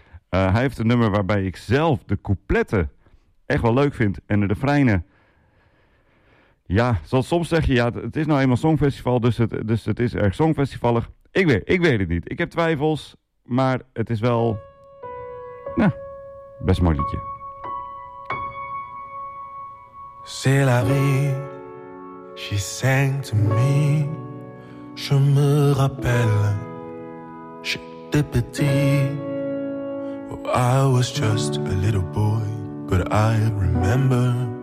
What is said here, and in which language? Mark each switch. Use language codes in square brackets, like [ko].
[nl] Hij heeft een nummer waarbij ik zelf de coupletten echt wel leuk vind. En de refreinen. Ja, zoals soms zeg je, ja, het is nou eenmaal Songfestival, dus het is erg songfestivalig. Ik weet het niet. Ik heb twijfels, maar het is wel, nou, best mooi liedje. [fr] C'est la vie, [en] she sang to me. [fr] Je me rappelle, j'étais petit. [en] Oh, I was just a little boy, but I remember.